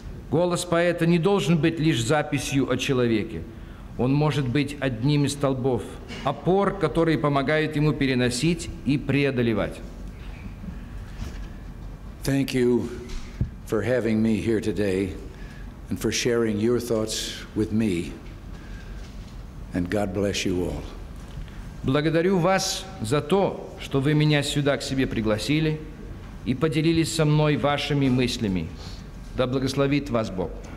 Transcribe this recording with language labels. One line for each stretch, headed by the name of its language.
Russian: Голос поэта не должен быть лишь записью о человеке. Он может быть одним из столбов, опор, которые помогают ему переносить и преодолевать.
English: Thank you for having me here today and for sharing your thoughts with me. And God bless you all.
Russian: Благодарю вас за то, что вы меня сюда к себе пригласили и поделились со мной вашими мыслями. Да благословит вас Бог.